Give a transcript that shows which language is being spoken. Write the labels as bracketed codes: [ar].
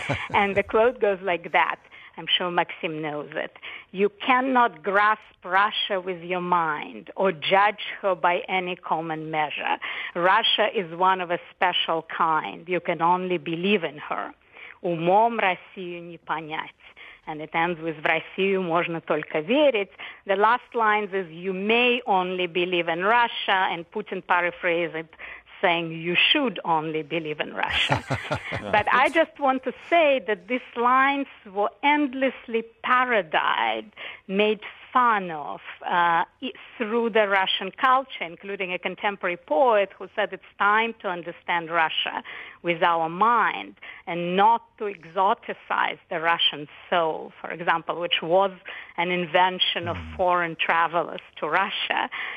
[en] And the quote goes like that. I'm sure Maxim knows it. You cannot grasp Russia with your mind or judge her by any common measure. Russia is one of a special kind. You can only believe in her. [ru] Умом Россию не понять. [en] And it ends with, [ru] в Россию можно только верить. [en] The last lines is, you may only believe in Russia, and Putin paraphrased it, saying you should only believe in Russia. But I just want to say that these lines were endlessly parodied, made fun of through the Russian culture, including a contemporary poet who said it's time to understand Russia with our mind and not to exoticize the Russian soul, for example, which was an invention of foreign travelers to Russia.